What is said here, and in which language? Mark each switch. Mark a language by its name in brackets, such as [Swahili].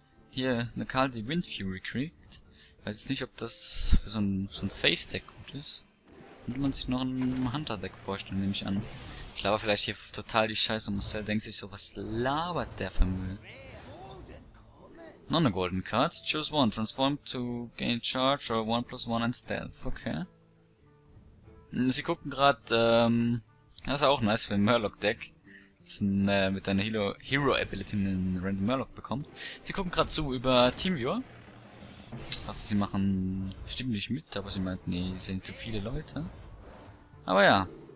[German] Hier eine Karte, die Wind Fury kriegt. Weiß jetzt nicht, ob das für so ein Face-Deck gut ist. Könnte man sich noch ein Hunter-Deck vorstellen, nehme ich an. Ich laber vielleicht hier total die Scheiße und Marcel denkt sich so, was labert der für Müll? Noch eine Golden Card. [English] Choose one. Transform to gain charge or 1 plus 1 and stealth. Okay. [German] Sie gucken gerade, das ist auch nice für ein Murloc-Deck. Das ist mit deiner Hero-Ability einen random Murloc bekommt. Sie gucken gerade zu über TeamViewer. Ich dachte, sie machen stimmlich mit, aber sie meinten, nee, sie sind zu viele Leute. Aber ja.